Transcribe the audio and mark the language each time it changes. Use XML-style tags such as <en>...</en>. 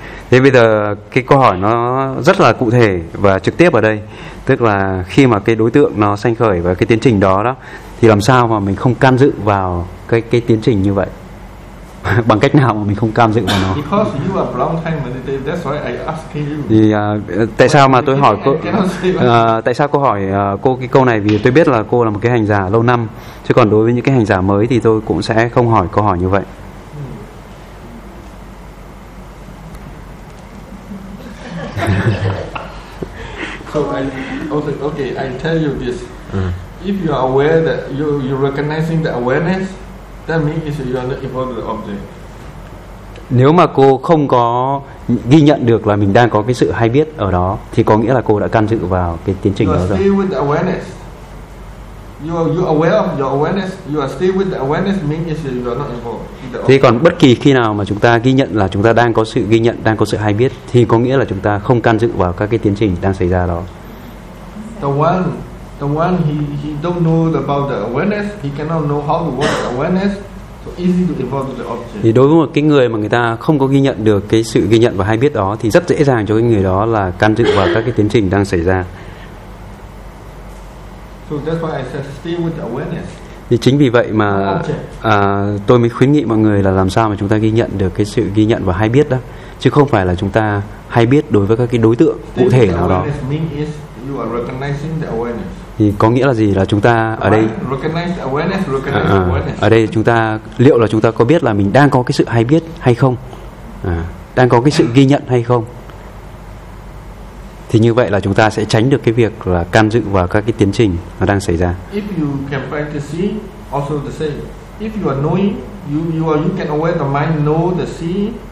<vi>Thế bây giờ cái câu hỏi nó rất là cụ thể và trực tiếp ở đây. Tức là khi mà cái đối tượng nó sanh khởi và cái tiến trình đó thì làm sao mà mình không can dự vào cái tiến trình như vậy? Bằng cách nào mà mình không can dự vào nó?</vi> <en>Because you are long time meditative, that's why I asking you.</en> <vi>Thì tại sao mà tôi hỏi cô? Tại sao cô hỏi cô cái câu này? Vì tôi biết là cô là một cái hành giả lâu năm, chứ còn đối với những cái hành giả mới thì tôi cũng sẽ không hỏi câu hỏi như vậy.</vi> <en>Okay, I tell you this. If you are aware that you recognizing the awareness, that means you are not involved with the object.</en> <vi>Nếu mà cô không có ghi nhận được là mình đang có cái sự hay biết ở đó, thì có nghĩa là cô đã can dự vào cái tiến trình đó rồi.</vi> <en>You are still with the awareness. You aware of your awareness. You are still with the awareness means you are not involved with the object.</en> <vi>Thì còn bất kỳ khi nào mà chúng ta ghi nhận là chúng ta đang có sự ghi nhận, đang có sự hay biết, thì có nghĩa là chúng ta không can dự vào các cái tiến trình đang xảy ra đó.</vi> <en>The one he don't know about the awareness, he cannot know how to work the awareness, so easy to involve with the object.</en> <vi>Thì đối với một cái người mà người ta không có ghi nhận được cái sự ghi nhận và hay biết đó, thì rất dễ dàng cho cái người đó là can dự vào các cái tiến trình đang xảy ra.</vi> <en>So that's why I said stay with the awareness.</en> <vi>Thì chính vì vậy mà tôi mới khuyến nghị mọi người là làm sao mà chúng ta ghi nhận được cái sự ghi nhận và hay biết đó, chứ không phải là chúng ta hay biết đối với các cái đối tượng cụ thể nào đó.</vi> <en>You are recognizing the awareness.</en> <vi>Thì có nghĩa là gì? Là chúng ta ở đây</vi> <en>recognize awareness.</en> <vi>Ở đây chúng ta liệu là chúng ta có biết là mình đang có cái sự hay biết hay không, đang có cái sự ghi nhận hay không, thì như vậy là chúng ta sẽ tránh được cái việc là can dự vào các cái tiến trình nó đang xảy ra.</vi> <en>If you can practice also the same, if you are knowing, you can aware the mind know the see,</en>